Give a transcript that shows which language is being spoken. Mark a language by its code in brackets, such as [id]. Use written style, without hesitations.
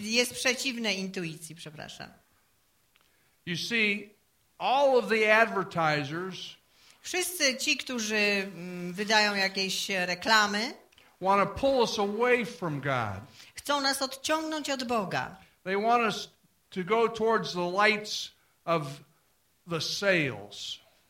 [pl] Jest przeciwne intuicji, przepraszam. [en] You see, all of the advertisers. [pl] Wszyscy ci, którzy wydają jakieś reklamy, [en] want to pull us away from God. [pl] Chcą nas odciągnąć od Boga. [en] They want us to go towards the lights of the sales.